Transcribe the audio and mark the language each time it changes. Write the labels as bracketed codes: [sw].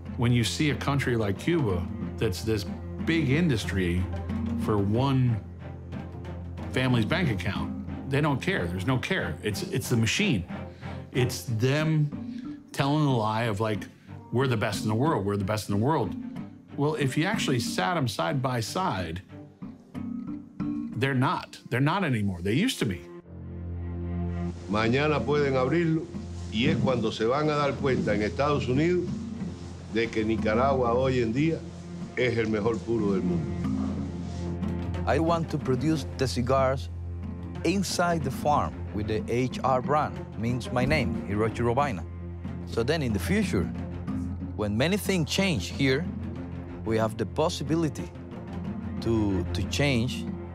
[en] When you see a country like Cuba that's this big industry for one family's bank account, they don't care. There's no care. It's the machine. It's them telling the lie of, like, we're the best in the world, we're the best in the world. Well, if you actually sat them side by side, they're not. They're not anymore. They used to be. [es] Mañana pueden abrirlo y es cuando se van a dar cuenta en Estados Unidos de que Nicaragua hoy en día es el mejor puro del mundo. [en] I want to produce the cigars inside the farm with the HR brand, means my name, Hirochi Robaina. So then in the future, when many things change here, we have the possibility to change.